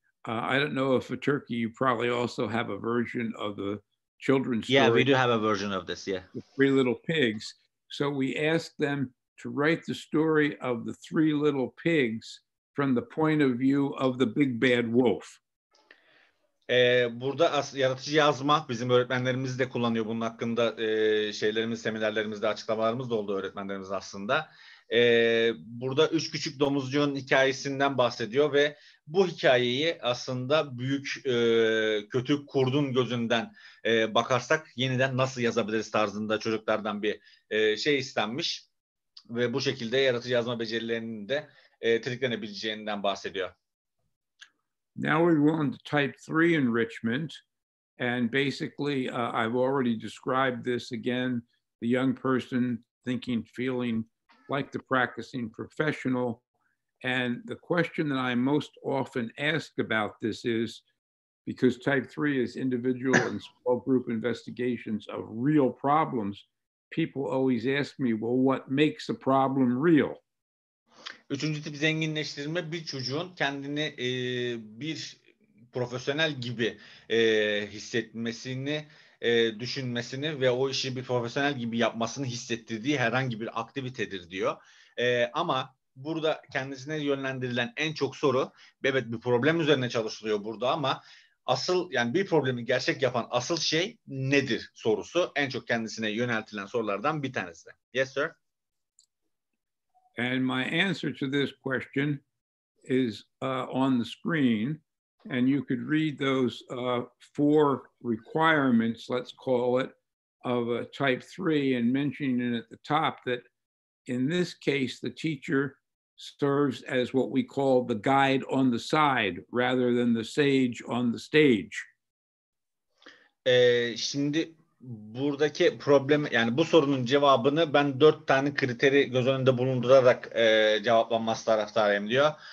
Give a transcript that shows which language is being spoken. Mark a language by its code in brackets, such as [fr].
[en] I don't know if a turkey, you probably also have a version of the children's story. Yeah, we do have a version of this, yeah. The Three Little Pigs. So we ask them to write the story of the three little pigs from the point of view of the big bad wolf. [tr] Burada yaratıcı yazma, bizim öğretmenlerimiz de kullanıyor bunun hakkında şeylerimiz, seminerlerimizde açıklamalarımız da oldu öğretmenlerimiz aslında. Burada üç küçük domuzcuğun hikayesinden bahsediyor ve bu hikayeyi aslında büyük kötü kurdun gözünden bakarsak yeniden nasıl yazabiliriz tarzında çocuklardan bir şey istenmiş. Ve bu şekilde yaratıcı yazma becerilerinin de tetiklenebileceğinden bahsediyor. [en] Now we're on to type 3 enrichment. And basically, I've already described this again, the young person thinking, feeling like the practicing professional. And the question that I most often ask about this is, because type 3 is individual and small group investigations of real problems, people always ask me, well, what makes a problem real? [tr] Üçüncü tip zenginleştirme, bir çocuğun kendini bir profesyonel gibi hissetmesini, düşünmesini ve o işi bir profesyonel gibi yapmasını hissettirdiği herhangi bir aktivitedir diyor. Ama burada kendisine yönlendirilen en çok soru, evet bir problem üzerine çalışılıyor burada ama asıl, yani bir problemi gerçek yapan asıl şey nedir sorusu en çok kendisine yöneltilen sorulardan bir tanesi. [en] Yes, sir. And my answer to this question is on the screen, and you could read those four requirements, let's call it, of a type 3, and mentioning it at the top that in this case the teacher serves as what we call the guide on the side rather than the sage on the stage. [tr] Şimdi buradaki problem, yani bu sorunun cevabını ben dört tane kriteri göz önünde bulundurarak cevaplanması taraftarıyım diyor.